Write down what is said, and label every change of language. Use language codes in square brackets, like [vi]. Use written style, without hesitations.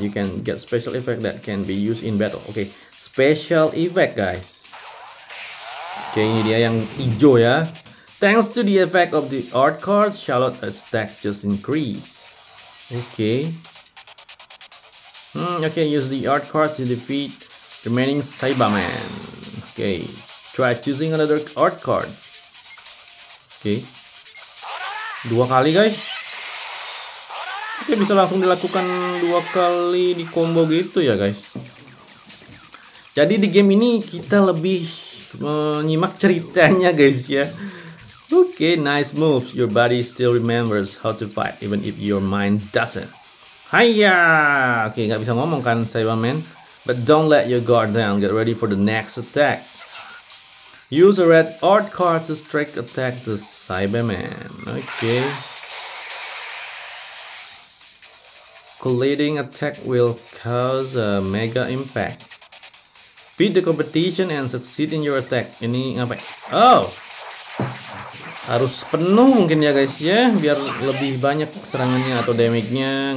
[en] You can get special effect that can be used in battle. Okay, special effect, guys. [id] Okay, ini dia yang hijau ya. [en] Thanks to the effect of the art card, Shallot attack just increase. Okay. Okay, use the art card to defeat remaining Cyberman. Okay, try choosing another art card. Okay. [id] Dua kali, guys. Oke, bisa langsung dilakukan dua kali di combo gitu ya, guys. Jadi di game ini kita lebih menyimak ceritanya, guys, ya. [en] Oke, nice moves. Your body still remembers how to fight even if your mind doesn't. Hiya. [id] Oke, nggak bisa ngomong kan, [en] Cyberman. But don't let your guard down. Get ready for the next attack. Use a red art card to strike attack the Cyberman. Okay. Colliding attack will cause a mega impact. Beat the competition and succeed in your attack. [id] Ini ngapain? Oh! Harus penuh mungkin ya, guys, ya. Biar lebih banyak serangannya atau damage-nya.